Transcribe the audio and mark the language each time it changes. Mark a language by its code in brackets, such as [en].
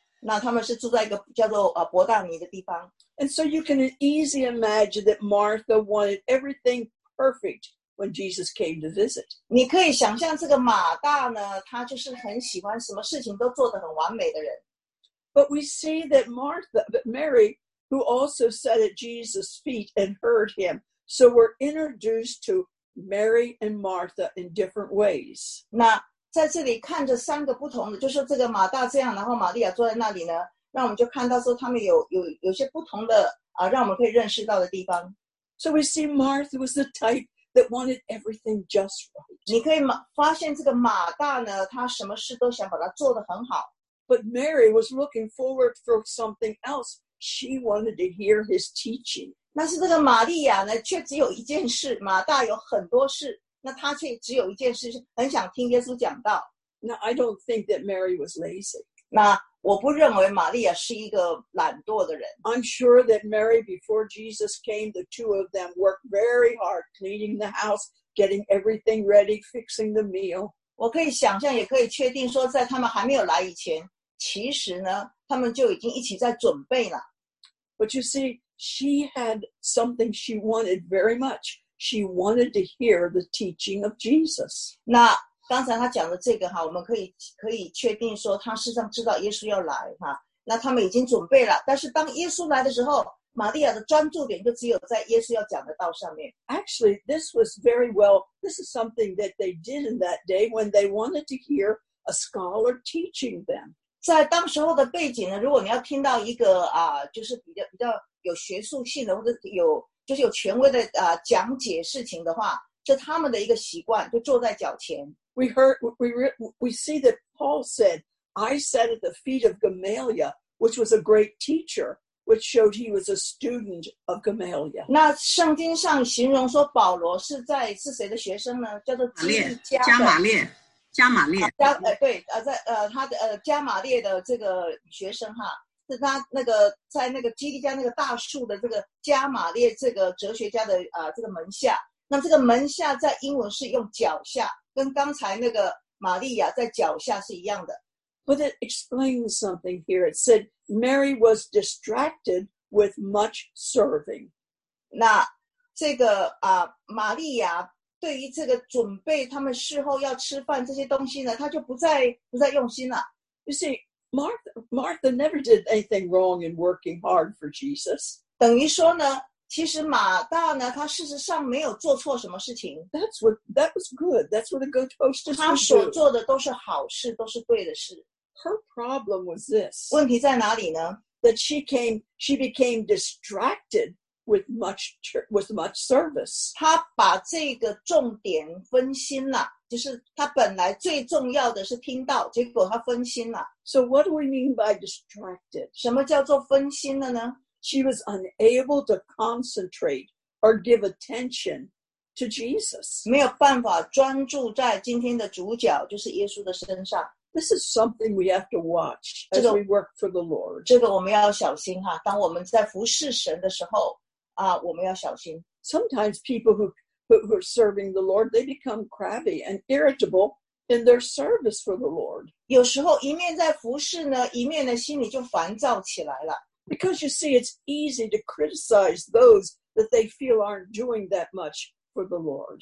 [zh] 那他们是住在一个叫做伯大尼的地方。 [en] And so you can easily imagine that Martha wanted everything perfect when Jesus came to visit. [zh] 你可以想象这个马大呢，他就是很喜欢什么事情都做得很完美的人。 [en] But we see that Mary, who also sat at Jesus' feet and heard him, so we're introduced to Mary and Martha in different ways. [zh] 那在这里看着三个不同的，就是这个马大这样，然后玛利亚坐在那里呢，让我们就看到说他们有些不同的让我们可以认识到的地方。 [en] So we see Martha was the type that wanted everything just right. [zh] 你可以发现这个马大呢，他什么事都想把它做得很好。 [en] But Mary was looking forward for something else. She wanted to hear his teaching. [zh] 那是这个玛利亚呢，却只有一件事。马大有很多事，那他却只有一件事，很想听耶稣讲道。 [en] Now I don't think that Mary was lazy. [zh] 那我不认为玛利亚是一个懒惰的人。 [en] I'm sure that Mary, before Jesus came, the two of them worked very hard cleaning the house, getting everything ready, fixing the meal. [zh] 我可以想象，也可以确定说，在他们还没有来以前，其实呢，他们就已经一起在准备了。 [en] But you see, she had something she wanted very much. She wanted to hear the teaching of Jesus. [zh] 那刚才他讲的这个哈，我们可以确定说他实际上知道耶稣要来哈，那他们已经准备了。但是当耶稣来的时候，玛利亚的专注点就只有在耶稣要讲的道上面。 [en] Actually, this was very well. This is something that they did in that day when they wanted to hear a scholar teaching them. [zh] 在当时候的背景呢，如果你要听到一个啊，就是比较有学术性的或者有就是有权威的啊讲解事情的话，这他们的一个习惯，就坐在脚前。 [en] We see that Paul said, "I sat at the feet of Gamaliel, which was a great teacher, which showed he was a student of Gamaliel." [zh] 那圣经上形容说保罗是在是谁的学生呢？叫做基利加的加马列，加马列。加对在他的加马列的这个学生哈，是他那个在那个基利加那个大树的这个加马列这个哲学家的这个门下。那这个门下在英文是用脚下。跟刚才那个玛利亚在脚下是一样的。 [en] But it explains something here. It said Mary was distracted with much serving. [zh] 那这个玛利亚对于这个准备他们事后要吃饭这些东西呢，她就不再用心了。 [en] You see, Martha never did anything wrong in working hard for Jesus. [zh] 等于说呢，其实马大呢，他事实上没有做错什么事情。 [en] That was good. That's what a good hostess would do. [zh] 他所做的都是好事，都是对的事。 [en] Her problem was this. [zh] 问题在哪里呢？ [en] That she became distracted with much service. [zh] 他把这个重点分心了，就是他本来最重要的是听到，结果他分心了。 [en] So what do we mean by distracted? [zh] 什么叫做分心了呢？ [en] She was unable to concentrate or give attention to Jesus. [zh] 没有办法专注在今天的主角，就是耶稣的身上。 [en] This is something we have to watch as we work for the Lord. [zh] 这个我们要小心哈，当我们在服侍神的时候啊，我们要小心。 [en] Sometimes people who are serving the Lord, they become crabby and irritable in their service for the Lord. [zh] 有时候一面在服侍呢，一面呢心里就烦躁起来了。 [en] Because you see, it's easy to criticize those that they feel aren't doing that much for the Lord.